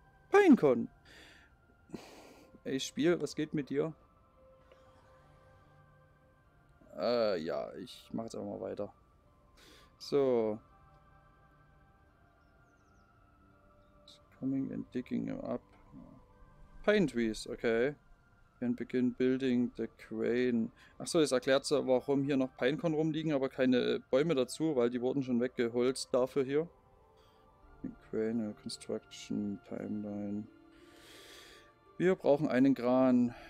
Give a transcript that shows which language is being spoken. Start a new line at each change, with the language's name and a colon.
German: Pinecon! Ey, Spiel, was geht mit dir? Ja, ich mach jetzt einfach mal weiter. So.
English: It's coming and digging him up. Pine trees, okay. And begin building the crane.
German: Achso, das erklärt so, warum hier noch Pinecon rumliegen, aber keine Bäume dazu, weil die wurden schon weggeholzt dafür hier. Crane Construction Timeline. Wir brauchen einen Kran.